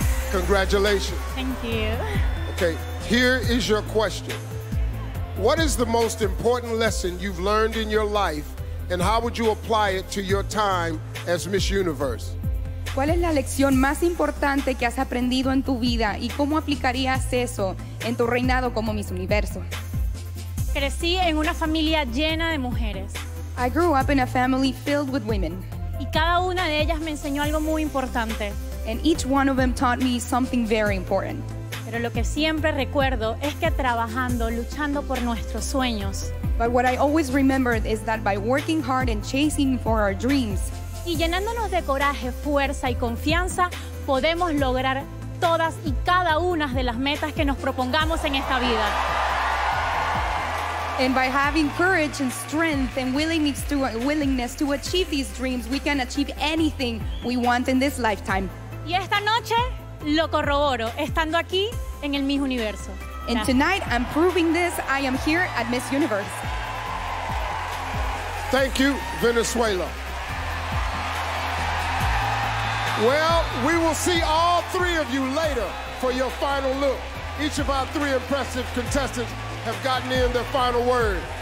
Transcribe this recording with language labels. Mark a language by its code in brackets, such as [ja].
[en] Congratulations. Thank you. Okay, here is your question. What is the most important lesson you've learned in your life, and how would you apply it to your time as Miss Universe? [es] ¿Cuál es la lección más importante que has aprendido en tu vida y cómo aplicarías eso en tu reinado como Miss Universo? Crecí en una familia llena de mujeres. [en] I grew up in a family filled with women. [es] Y cada una de ellas me enseñó algo muy importante. [en] And each one of them taught me something very important. [es] Pero lo que siempre recuerdo es que trabajando, luchando por nuestros sueños. [en] But what I always remember is that by working hard and chasing for our dreams. [es] Y llenándonos de coraje, fuerza y confianza, podemos lograr todas y cada una de las metas que nos propongamos en esta vida. [en] And by having courage and strength and willingness to achieve these dreams, we can achieve anything we want in this lifetime. [es] Y esta noche lo corroboro, estando aquí en el Miss Universo. Gracias. [en] And tonight I'm proving this, I am here at Miss Universe. Thank you, Venezuela. Well, we will see all three of you later for your final look. Each of our three impressive contestants have gotten in their final word.